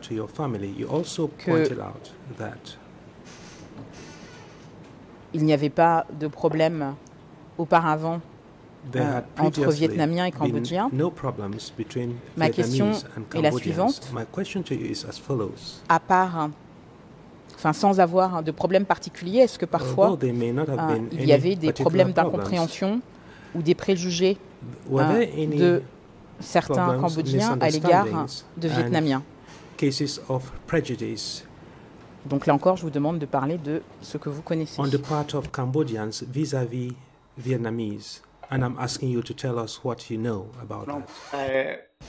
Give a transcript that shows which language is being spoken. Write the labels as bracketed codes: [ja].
[en] to your family, you also pointed out that [fr] il n'y avait pas de problème auparavant entre Vietnamiens et Cambodgiens. [en] No problems between [fr] Ma question [en] Vietnamese and Cambodians. My question to you is as follows. [fr] À part, enfin, sans avoir de problème particulier, est-ce que parfois il y avait des problèmes d'incompréhension ou des préjugés de certains Cambodgiens à l'égard de Vietnamiens? [en] Cases of prejudice. [fr] Donc là encore, je vous demande de parler de ce que vous connaissez. [en] On the part of Cambodians vis-à-vis Vietnamese. And I'm asking you to tell us what you know about that.